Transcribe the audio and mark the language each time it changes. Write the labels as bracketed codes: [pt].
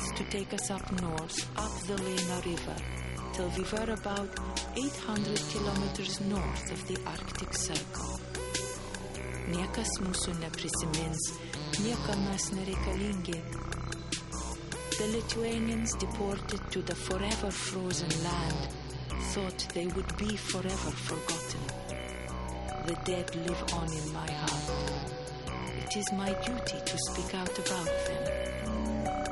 [en] Take us up north, up the Lena River, till we were about 800 kilometers north of the Arctic Circle. [lt] Niekas mūsų neprisimins, niekam mes nereikalingi. [en] The Lithuanians deported to the forever frozen land, thought they would be forever forgotten. The dead live on in my heart. It is my duty to speak out about them.